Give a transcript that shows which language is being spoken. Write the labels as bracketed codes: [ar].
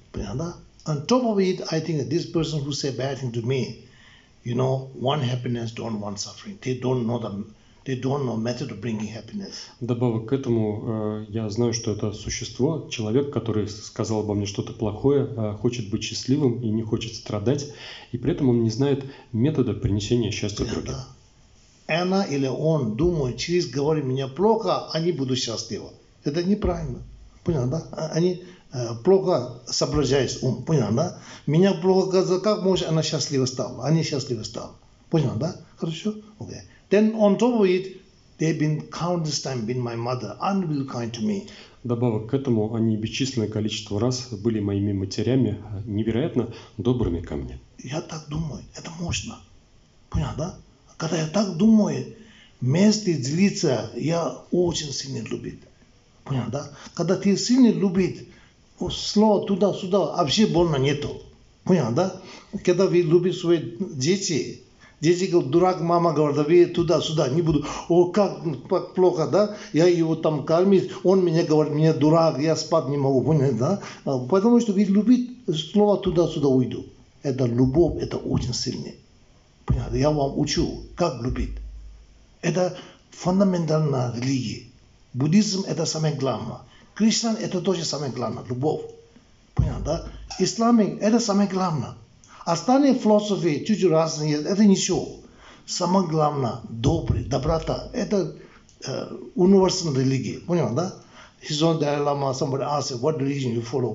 [ru] Понял, да? [en] On top of it, I think that this person who said bad thing to me, you know, one happiness don't want suffering. They don't know method of bringing happiness. [ru] Добавок к этому, я знаю, что это существо, человек, который сказал обо мне что-то плохое, хочет быть счастливым и не хочет страдать, и при этом он не знает метода принесения счастья другим. Да. Она или он думает, через говорит мне плохо, они будут счастливы. Это неправильно. Понял, да? Они плохо соображает ум, понял, да? Меня плохо сказал, как может она счастлива стала? Они счастливы стала. Понял, да? Хорошо? Okay. [en] Then on top of it, they've been countless time been my mother, unreal kind to me. [ru] Добавок к этому, они бесчисленное количество раз были моими матерями, невероятно добрыми ко мне. Я так думаю, это можно. Понял, да? Когда я так думаю, вместе злиться, я очень сильно любит. Понял, да? Когда ты сильно любит, слово туда-сюда вообще больно нету. Понял, да? Когда вы любите свои дети, дети говорят, дурак, мама говорит, вы туда-сюда не буду. О, как плохо, да? Я его там кормит, он мне говорит, мне дурак, я спать не могу, понял, да? Потому что вы любите, слово туда-сюда уйду. Это любовь, это очень сильный. Понял, я вам учу, как любить. Это фундаментальная религия. Буддизм – это самое главное. Кришна – это тоже самое главное, любовь. Понятно, да? Ислами – это самое главное. Остальные философии чуть-чуть разные, это ничего. Самое главное – добрый, доброта. Это универсальная религия, понятно, да? [en] His own Dalai Lama, somebody asked, what religion you follow?